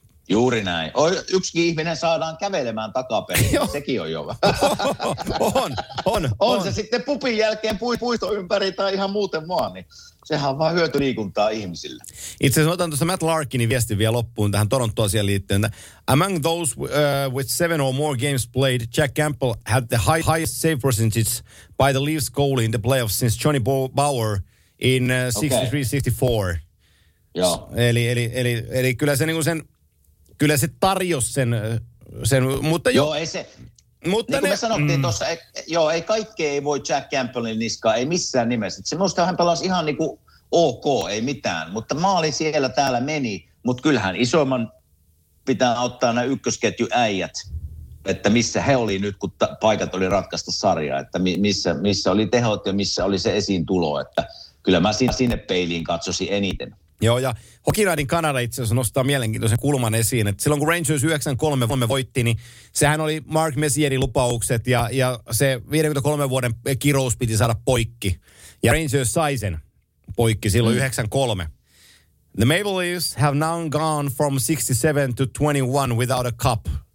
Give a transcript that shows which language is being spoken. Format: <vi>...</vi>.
<fi>Juuri näin. Yksikin ihminen saadaan kävelemään takaperin, sekin on jo vähän. On. On se sitten pupin jälkeen puisto ympäri tai ihan muuten vaan, niin. Sehän on vaan hyötyliikuntaa ihmisille. Itse asiassa otan tuosta Matt Larkinin viestin vielä loppuun tähän Torontoasiaan liittyen.</fi> <en>Among those with 7 or more games played, Jack Campbell had the highest save percentage by the Leafs goalie in the playoffs since Johnny Bower in 63-64.</en> <fi>Joo. Eli kyllä se niinku sen, kyllä se tarjosi sen, mutta joo. Joo, ei se. Mutta niin kuin me sanottiin tuossa, ei kaikkea ei voi Jack Campbellin niskaa, ei missään nimessä. Se minusta hän pelasi ihan niin kuin ok, ei mitään, mutta maali siellä täällä meni, mutta kyllähän isoimman pitää auttaa nämä ykkösketjuäijät, että missä he oli nyt, kun paikat oli ratkaista sarjaa, että missä oli tehot ja missä oli se esiintulo, että kyllä mä sinne peiliin katsosin eniten. Joo, ja Hockey Raidin Kanada itse asiassa nostaa mielenkiintoisen kulman esiin, että silloin kun Rangers 9-3 voitti, niin sehän oli Mark Messierin lupaukset ja se 53 vuoden kirous piti saada poikki. Ja Rangers sai sen poikki silloin 9-3.</fi> <en>The Maple Leafs have now gone from 67 to 21 without a cup.</en>